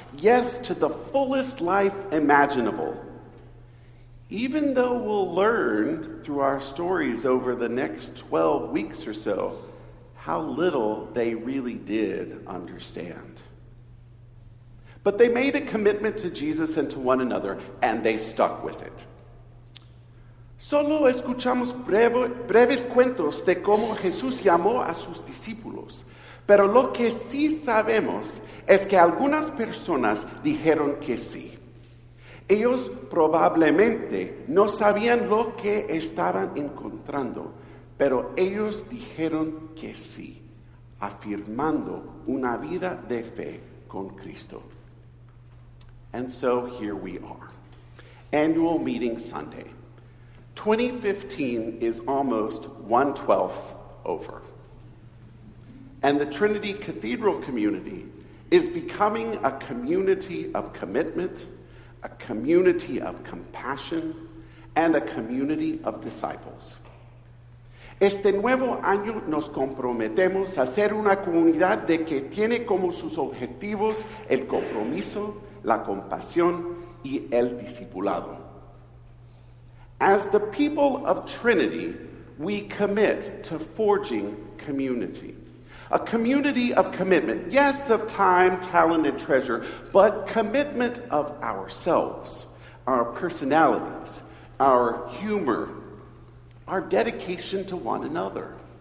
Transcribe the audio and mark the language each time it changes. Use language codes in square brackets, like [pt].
[en] Yes to the fullest life imaginable. Even though we'll learn through our stories over the next 12 weeks or so how little they really did understand. But they made a commitment to Jesus and to one another, and they stuck with it. [es] Solo escuchamos breves cuentos de cómo Jesús llamó a sus discípulos, pero lo que sí sabemos es que algunas personas dijeron que sí. Ellos probablemente no sabían lo que estaban encontrando, pero ellos dijeron que sí, afirmando una vida de fe con Cristo. [en] And so here we are, Annual Meeting Sunday. 2015 is almost 1/12 over. And the Trinity Cathedral community is becoming a community of commitment, a community of compassion, and a community of disciples. [es] Este nuevo año nos comprometemos a ser una comunidad de que tiene como sus objetivos el compromiso, la compasión y el discipulado. [en] As the people of Trinity, we commit to forging community. A community of commitment, yes, of time, talent, and treasure, but commitment of ourselves, our personalities, our humor, our dedication to one another.